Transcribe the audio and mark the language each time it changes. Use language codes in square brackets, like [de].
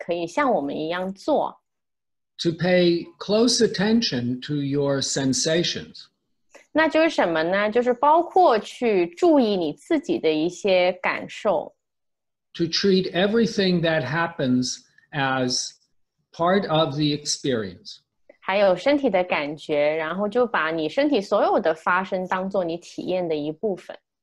[zh] 那我鼓励你们呢，就是在你听的时候呢，也可以像我们一样做。 [en] To pay close attention to your sensations. [zh] 那就是什么呢？就是包括去注意你自己的一些感受。 [en] To treat everything that happens as part of the experience. [zh] 还有身体的感觉，然后就把你身体所有的发生当做你体验的一部分。